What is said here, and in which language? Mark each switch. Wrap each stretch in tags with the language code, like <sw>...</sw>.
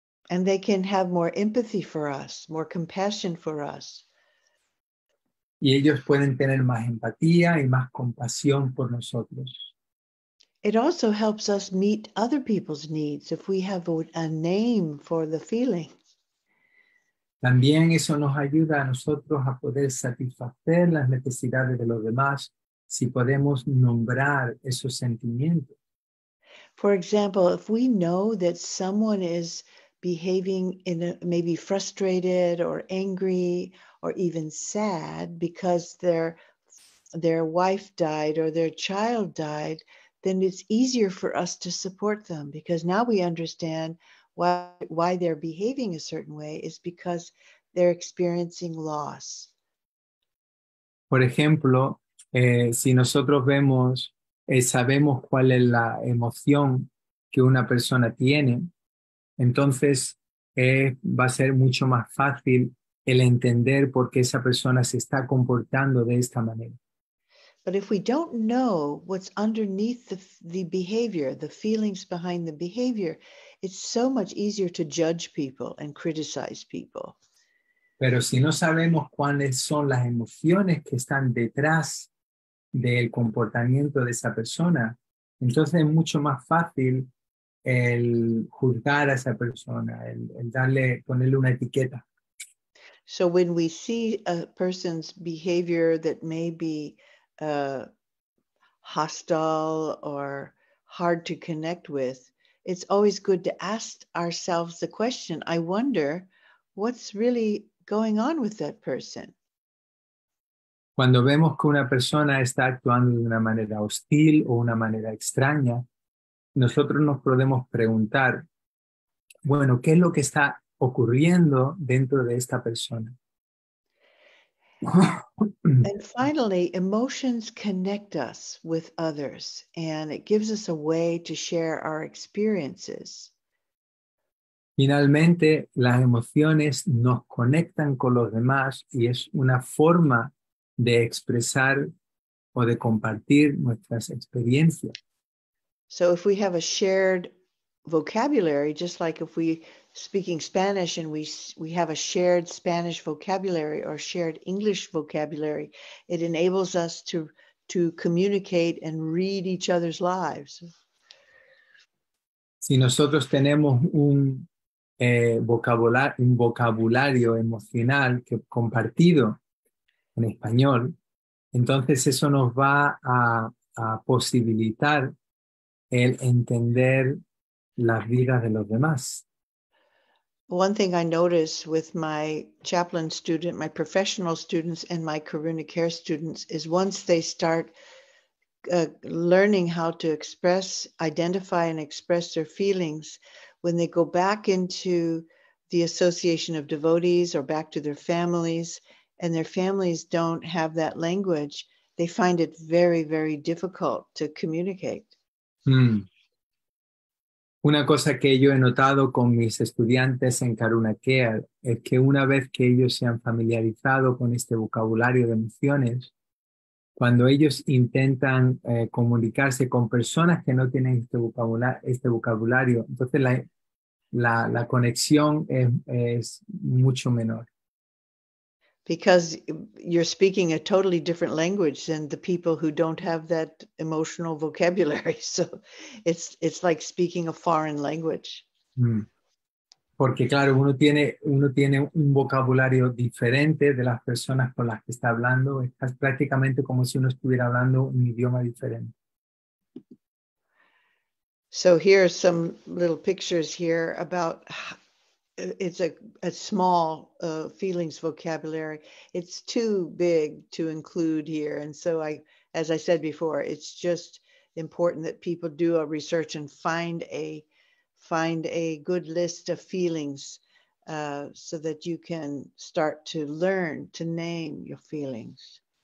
<en>And they can have more empathy for us, more compassion for us.</en> <es>Y ellos pueden tener más empatía y más compasión por nosotros.</es> <en>It also helps us meet other people's needs if we have a name for the feeling.</en> <es>También eso nos ayuda a nosotros a poder satisfacer las necesidades de los demás si podemos nombrar esos sentimientos.</es> <en>For example, if we know that someone is behaving in maybe frustrated or angry or even sad because their wife died or their child died, then it's easier for us to support them because now we understand why they're behaving a certain way is because they're experiencing loss.</en> <es>Por ejemplo, si nosotros vemos, sabemos cuál es la emoción que una persona tiene, entonces va a ser mucho más fácil el entender por qué esa persona se está comportando de esta manera.</es> <en>But if we don't know what's underneath the behavior, the feelings behind the behavior, it's so much easier to judge people and criticize people.</en> <es>Pero si no sabemos cuáles son las emociones que están detrás del comportamiento de esa persona, entonces es mucho más fácil el juzgar a esa persona, el darle, ponerle una etiqueta.</es> <en>So when we see a person's behavior that may be hostile or hard to connect with, it's always good to ask ourselves the question, I wonder what's really going on with that person.</en> <es>Cuando vemos que una persona está actuando de una manera hostil o una manera extraña, nosotros nos podemos preguntar, bueno, ¿qué es lo que está ocurriendo dentro de esta persona?</es> <en>And finally, emotions connect us with others, and it gives us a way to share our experiences.</en> <es>Finalmente, las emociones nos conectan con los demás y es una forma de expresar o de compartir nuestras experiencias.</es> <en>So if we have a shared vocabulary, just like if we speaking Spanish and we have a shared Spanish vocabulary or shared English vocabulary, it enables us to communicate and read each other's lives.</en> <es>Si nosotros tenemos un vocabulario emocional que compartido en español, entonces eso nos va a posibilitar el entender las vidas de los demás.</es> <en>One thing I notice with my chaplain student, my professional students, and my Karuna Care students is once they start learning how to express, identify, and express their feelings, when they go back into the association of devotees or back to their families, and their families don't have that language, they find it very, very difficult to communicate.</en> <es>Una cosa que yo he notado con mis estudiantes en Karuna Care es que una vez que ellos se han familiarizado con este vocabulario de emociones, cuando ellos intentan comunicarse con personas que no tienen este vocabulario, entonces la conexión es mucho menor.</es> <en>Because you're speaking a totally different language than the people who don't have that emotional vocabulary. So it's like speaking a foreign language.</en> <es>Porque claro, uno tiene un vocabulario diferente de las personas con las que está hablando. Es prácticamente como si uno estuviera hablando un idioma diferente.</es> <en>So here are some little pictures here about... It's a small feelings vocabulary. It's too big to include here. And so as I said before, it's just important that people do a research and find a good list of feelings so that you can start to learn to name your feelings.</en>